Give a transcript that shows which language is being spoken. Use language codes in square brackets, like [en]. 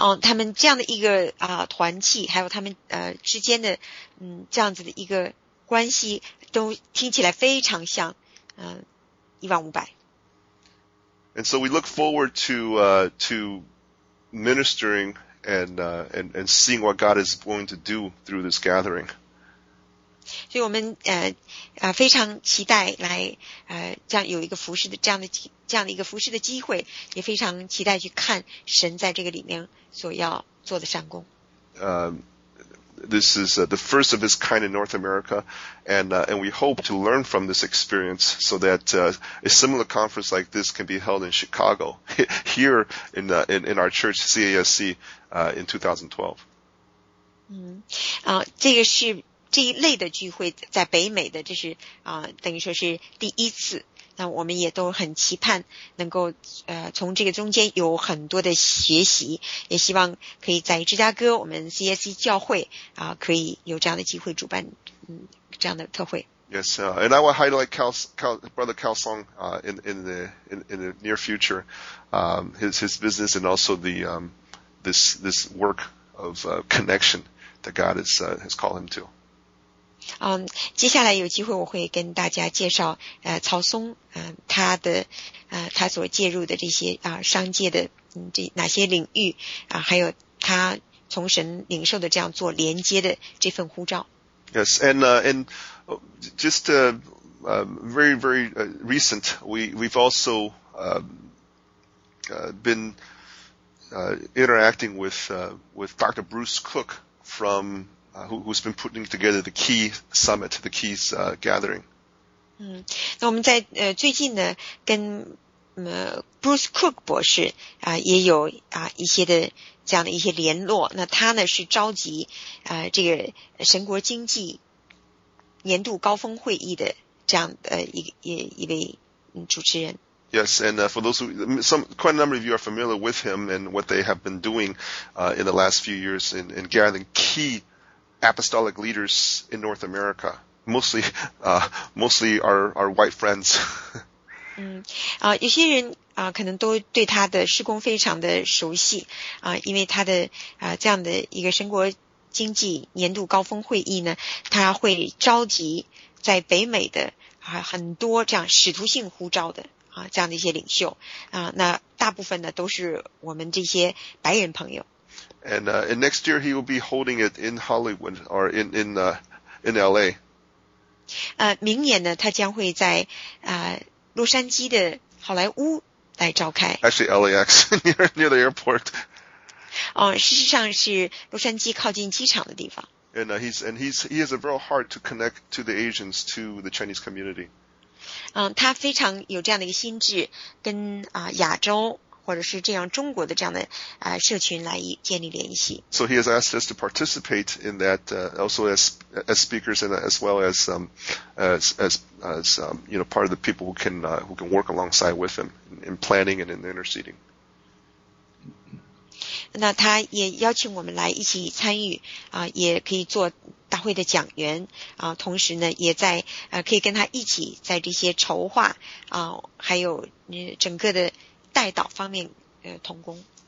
[zh] 他们这样的一个团契，还有他们之间的这样子的一个关系，都听起来非常像1500。 [en] And so we look forward to ministering and seeing what God is going to do through this gathering. [zh] 所以我们非常期待来这样有一个服事的这样的一个服事的机会，也非常期待去看神在这个里面所要做的善工。 [en] This is the first of its kind in North America, and we hope to learn from this experience so that a similar conference like this can be held in Chicago here in our church CASC in 2012. [zh] 这个是。这一类的聚会在北美的，这是等于说是第一次。那我们也都很期盼能够从这个中间有很多的学习，也希望可以在芝加哥我们 CSC 教会可以有这样的机会主办这样的特会。 [en] Yes, and I will highlight Brother Cao Song in the near future, his business and also this work of connection that God has called him to. [zh] 接下来有机会我会跟大家介绍曹松他所介入的这些商界的这哪些领域还有他从神领受的这样做连接的这份呼召。 [en] Yes, and just very very recent, we've also been interacting with Dr. Bruce Cook from. Who's been putting together the key summit, the keys gathering. [zh] 那我们在最近呢跟Bruce Cook 博士也有一些的这样的一些联络。那他呢是召集这个神国经济年度高峰会议的这样的一位主持人。 [en] Yes, and for those who, quite a number of you are familiar with him and what they have been doing in the last few years in gathering key apostolic leaders in North America, mostly our white friends. [zh] 有些人可能都对他的事工非常的熟悉因为他的这样的一个神国经济年度高峰会议呢，他会召集在北美的很多这样使徒性呼召的这样的一些领袖那大部分呢都是我们这些白人朋友。 [en] And, and next year he will be holding it in Hollywood or in LA. [zh] 明年呢他将会在洛杉矶的好莱坞来召开。 [en] Actually LAX, near the airport. [zh] 事实上是洛杉矶靠近机场的地方。 [en] And, he has a real heart to connect to the Asians, to the Chinese community. [zh] 他非常有这样的一个心智跟亚洲或者是这样中国的这样的社群来建立联系。 [en] So he has asked us to participate in that, also as speakers and as well as you know, part of the people who can work alongside with him in planning and in interceding. [zh] 那他也邀请我们来一起参与也可以做大会的讲员同时呢也在可以跟他一起在这些筹划还有整个的带导方面同工。